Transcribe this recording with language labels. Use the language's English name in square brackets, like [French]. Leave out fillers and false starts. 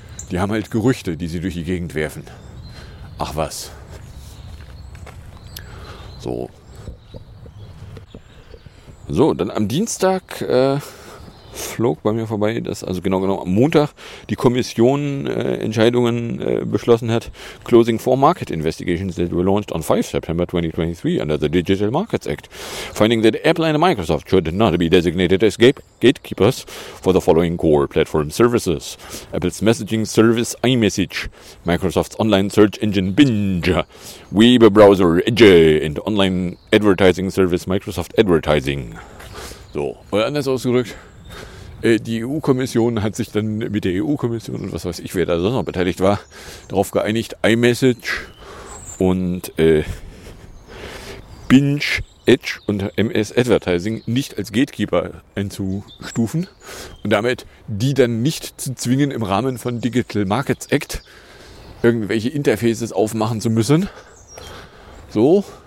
[German] Die haben halt Gerüchte, die sie durch die Gegend werfen. Ach was. So. So, dann am Dienstag flog bei mir vorbei, dass also genau am Montag die Kommission Entscheidungen beschlossen hat. [English] Closing four market investigations that were launched on 5 September 2023 under the Digital Markets Act, finding that Apple and Microsoft should not be designated as gatekeepers for the following core platform services: Apple's messaging service iMessage, Microsoft's online search engine Bing, web browser Edge and online advertising service Microsoft Advertising. [German] So, oder anders ausgedrückt, die EU-Kommission hat sich dann mit der EU-Kommission und was weiß ich, wer da sonst noch beteiligt war, darauf geeinigt, iMessage und Binge, Edge und MS Advertising nicht als Gatekeeper einzustufen und damit die dann nicht zu zwingen, im Rahmen von Digital Markets Act irgendwelche Interfaces aufmachen zu müssen. So,